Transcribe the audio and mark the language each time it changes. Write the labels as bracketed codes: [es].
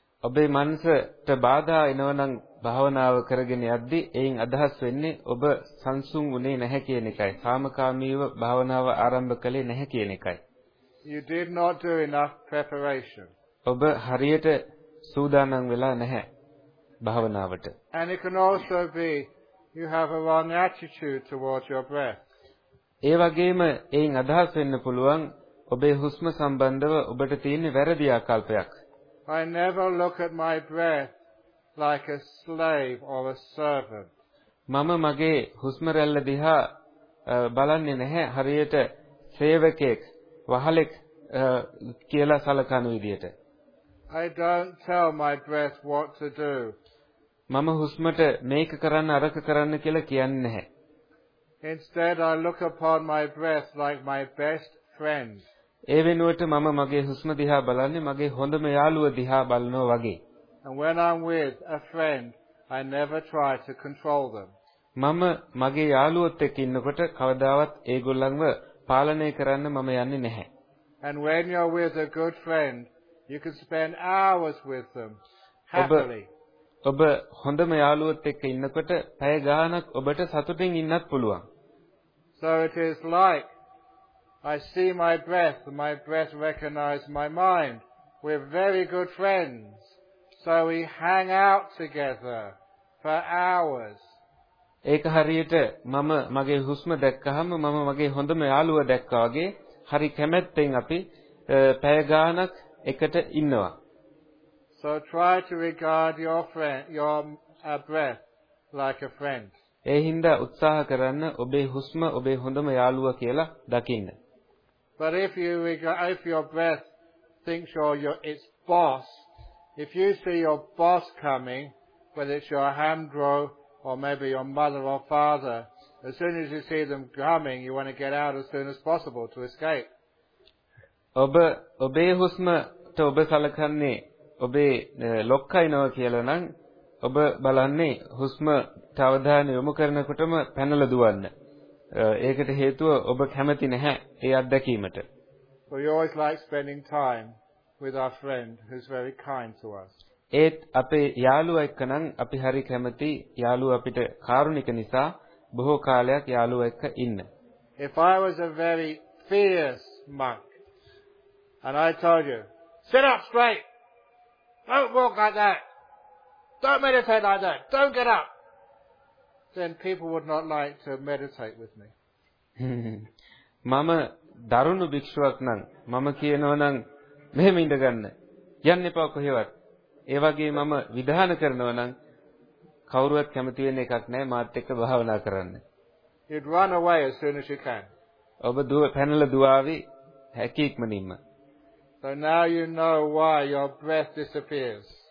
[si] ඔබේ මනසට බාධා එනවා නම් භාවනාව කරගෙන යද්දී එයින් අදහස් වෙන්නේ ඔබ සංසුන් වුණේ නැහැ කියන එකයි. සාමකාමීව භාවනාව ආරම්භ කළේ නැහැ කියන එකයි. [en] You did not do enough preparation. [si] ඔබ හරියට සූදානම් වෙලා නැහැ භවනාවට. [en] And it can also be you have a wrong attitude towards your breath. [si] ඒ වගේම එයින් අදහස් වෙන්න පුළුවන් ඔබේ හුස්ම සම්බන්ධව ඔබට තියෙන වැරදි ආකල්පයක්. [en] I never look at my breath like a slave or a servant. [si] මම මගේ හුස්ම රැල්ල දිහා බලන්නේ නැහැ හරියට සේවකෙක් වහලෙක් කියලා සලකන විදියට. [en] I don't tell my breath what to do. [si] මම හුස්මට මේක කරන්න අරක කරන්න කියලා කියන්නේ නැහැ. [en] Instead I look upon my breath like my best friend. [si] ඒ වෙනුවට මම මගේ හුස්ම දිහා බලන්නේ මගේ හොඳම යාළුව දිහා බලනවා වගේ. [en] And when I'm with a friend I never try to control them. [si] මම මගේ යාළුවොත් එක්ක ඉන්නකොට කවදාවත් ඒගොල්ලන්ව පාලනය කරන්න මම යන්නේ නැහැ. [en] And when you're with a good friend, you can spend hours with them happily. [si] ඔබ හොඳම යාළුවෙක් එක්ක ඉන්නකොට පැය ගාණක් ඔබට සතුටින් ඉන්නත් පුළුවන්. [en] So it is like I see my breath, my breath recognizes my mind. We're very good friends. So we hang out together for hours. [si] ඒක හරියට මම මගේ හුස්ම දැක්කහම මම මගේ හොඳම යාළුව දැක්කා වගේ හරි කැමැත්තෙන් අපි පැය ගාණක් එකට ඉන්නවා. [en] So try to regard your friend, your breath like a friend. [si] ඒ හින්දා උත්සාහ කරන්න ඔබේ හුස්ම ඔබේ හොඳම යාළුව කියලා දකින්න. [en] But if your breath thinks it's boss, if you see your boss coming, whether it's your hamdro or maybe your mother or father, as soon as you see them coming, you want to get out as soon as possible to escape. [si] ඔබේ හුස්මට ඔබ සලකන්නේ ඔබේ ලොක්කයිනවා කියලා නම් ඔබ බලන්නේ හුස්මට අවධානය යොමු කරනකොටම පැනලා දුවන්න. ඒකට හේතුව ඔබ කැමති නැහැ ඒ අත්දැකීමට. [en] We always like spending time with our friend who's very kind to us. [si] ඒත් අපේ යාළුවා එක්කනම් අපි හරි කැමති යාළුවා අපිට කාරුණික නිසා බොහෝ කාලයක් යාළුවා එක්ක ඉන්න. [en] If I was a very fierce monk and I told you, sit up straight. Don't walk like that. Don't meditate like that. Don't get up. Then people would not like to meditate with me. [si] මම දරුණු භික්ෂුවක් නම් මම කියනවා නම් මෙහෙම ඉඳගන්න යන්න එපා කොහෙවත්. ඒ වගේ මම විධාන කරනවා නම් කවුරුවත් කැමති වෙන එකක් නැහැ මාත් එක්ක භාවනා කරන්න. [en] You'd run away as soon as you can. [si] ඔබ දුව පැනලා දුවාවි හැකි ඉක්මනින්ම. [en] So now you know why your breath disappears.